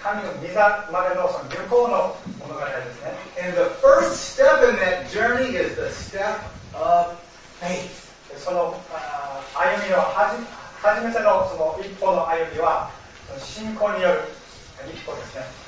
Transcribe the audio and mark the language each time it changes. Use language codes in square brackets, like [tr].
[ja] 覚えてくださいね。聖書の働きはその物語というのはそのテントから神の御座までのその旅行の物語ですね。 [en] And the first step in that journey is the step of faith. [ja] その歩みの初めてのその一歩の歩みはその信仰による一歩ですね。